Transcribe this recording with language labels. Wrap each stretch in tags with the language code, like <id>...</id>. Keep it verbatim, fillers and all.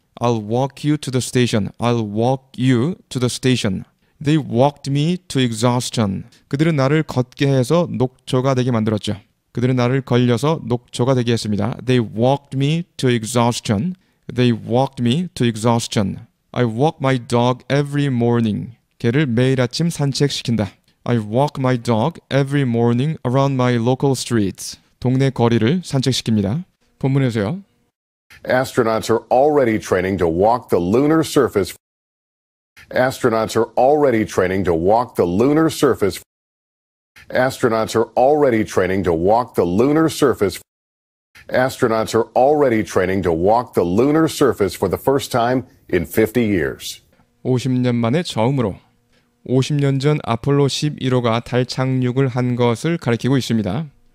<en>I'll walk you to the station, I'll walk you to the station. They walked me to exhaustion.</en> <ko>그들은 나를 걷게 해서 녹초가 되게 만들었죠. 그들은 나를 걸려서 녹초가 되게 했습니다.</ko> <en>They walked me to exhaustion. They walked me to exhaustion. I walk my dog every morning.</en> <ko>개를 매일 아침 산책시킨다.</ko> <en>I walk my dog every morning around my local streets.</en> <ko>동네 거리를 산책시킵니다. 본문에서요.</ko> <en>Astronauts are already training to walk the lunar surface. Astronauts are already training to walk the lunar surface. Astronauts are already training to walk the lunar surface. Astronauts are already training to walk the lunar surface for the first time in fifty years.</en> <ko>오십 년 만에 처음으로 오십 년 전 아폴로 십일 호가 달 착륙을 한 것을 가리키고 있습니다.</ko>